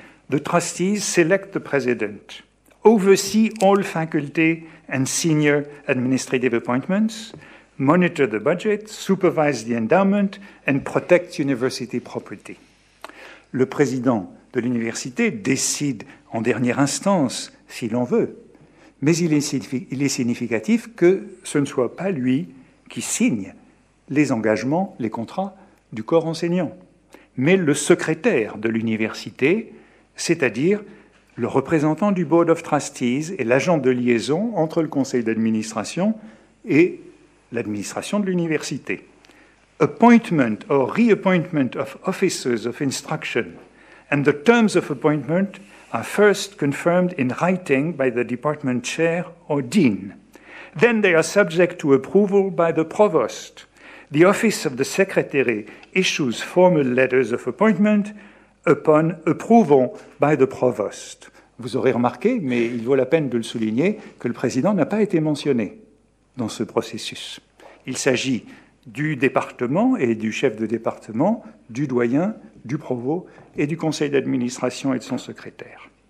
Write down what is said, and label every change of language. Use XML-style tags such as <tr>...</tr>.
<en>The trustees select the president, oversee all faculty and senior administrative appointments, monitor the budget, supervise the endowment, and protect university property.</en> <fr>le président de l'université décide en dernière instance s'il en veut, mais il est significatif que ce ne soit pas lui qui signe les engagements, les contrats du corps enseignant, mais le secrétaire de l'université, c'est-à-dire le représentant du Board of Trustees et l'agent de liaison entre le conseil d'administration et l'administration de l'université.</fr> <en>Appointment or reappointment of officers of instruction and the terms of appointment are first confirmed in writing by the department chair or dean. Then they are subject to approval by the provost. The office of the secretary issues formal letters of appointment upon approval by the provost.</en> <fr>Vous aurez remarqué, mais il vaut la peine de le souligner, que le président n'a pas été mentionné dans ce processus. Il s'agit du département et du chef de département, du doyen, du provost et du conseil d'administration et de son secrétaire.</fr>